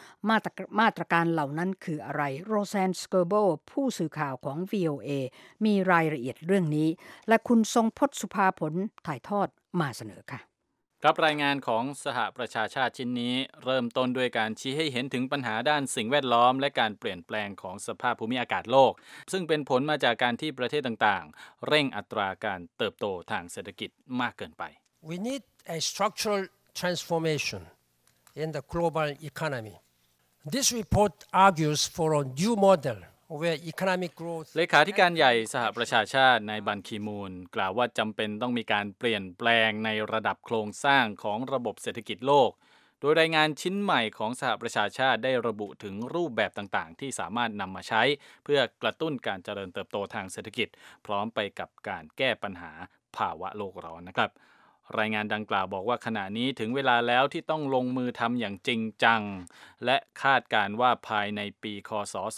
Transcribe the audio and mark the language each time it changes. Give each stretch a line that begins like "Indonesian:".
Thai: มาตรการเหล่านั้นคืออะไรโรแซนสเกอร์โบผู้สื่อข่าวของ VOA มีรายละเอียดเรื่องนี้และคุณทรงพจน์สุภาผลถ่ายทอดมาเสนอค่ะ ครับรายงานของสหประชาชาติชิ้นนี้เริ่มต้นด้วยการชี้ให้เห็นถึงปัญหาด้านสิ่งแวดล้อมและการเปลี่ยนแปลงของสภาพภูมิอากาศโลกซึ่งเป็นผลมาจากการที่ประเทศต่างๆเร่งอัตราการเติบโตทางเศรษฐกิจมากเกินไป
English: We need a structural transformation in the global economyThis report argues for a new model where economic growth.
Thai: เลขาธิการใหญ่สหประชาชาตินายบันคีมูนกล่าวว่าจำเป็นต้องมีการเปลี่ยนแปลงในระดับโครงสร้างของระบบเศรษฐกิจโลกโดยรายงานชิ้นใหม่ของสหประชาชาติได้ระบุถึงรูปแบบต่างๆที่สามารถนำมาใช้เพื่อกระตุ้นการเจริญเติบโตทางเศรษฐกิจพร้อมไปกับการแก้ปัญหาภาวะโลกร้อนนะครับรายงานดังกล่าวบอกว่าขณะนี้ถึงเวลาแล้วที่ต้องลงมือทำอย่างจริงจังและคาดการว่าภายในปีค.ศ